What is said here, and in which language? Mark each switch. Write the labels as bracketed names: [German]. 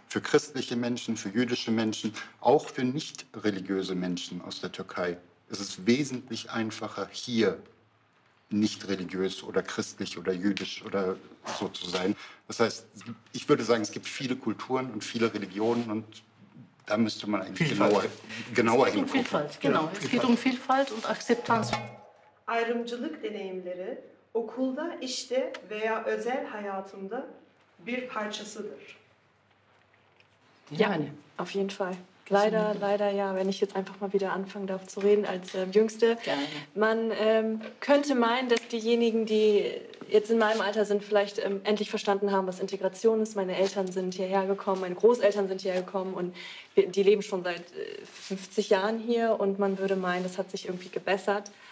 [German] Für christliche Menschen, für jüdische Menschen, auch für nicht religiöse Menschen aus der Türkei ist es wesentlich einfacher, hier nicht religiös oder christlich oder jüdisch oder so zu sein. Das heißt, ich würde sagen, es gibt viele Kulturen und viele Religionen und da müsste man eigentlich genauer hingucken. Um Vielfalt, genau. Ja, Vielfalt. Es geht um Vielfalt und Akzeptanz. [Turkish] Ayrımcılık deneyimleri okulda, işte veya özel hayatında bir parçasıdır. Yani, [German] auf jeden Fall. Leider, ja, wenn ich jetzt einfach mal wieder anfangen darf zu reden als Jüngste. Gerne. Man könnte meinen, dass diejenigen, die jetzt in meinem Alter sind, vielleicht endlich verstanden haben, was Integration ist. Meine Eltern sind hierher gekommen, meine Großeltern sind hierher gekommen und die leben schon seit 50 Jahren hier und man würde meinen, das hat sich irgendwie gebessert.